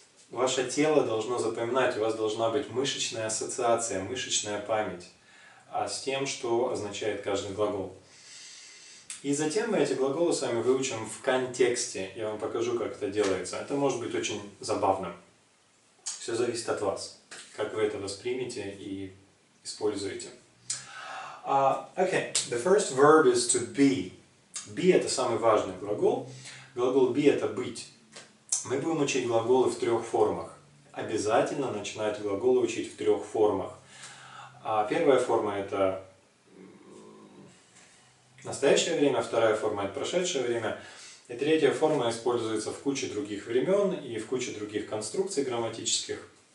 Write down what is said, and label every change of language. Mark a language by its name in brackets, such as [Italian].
[Russian] Ваше тело должно запоминать, у вас должна быть мышечная ассоциация, мышечная память с тем, что означает каждый глагол. И затем мы эти глаголы с вами выучим в контексте. Я вам покажу, как это делается. Это может быть очень забавным. Все зависит от вас, как вы это воспримете и используете. [English] Okay, the first verb is to be. [Russian] Be – это самый важный глагол. Глагол be – это быть. Мы будем учить глаголы в трех формах. Обязательно начинать глаголы учить в трех формах. Первая форма – это настоящее время, вторая форма – это прошедшее время, и третья форма используется в куче других времен и в куче других конструкций грамматических.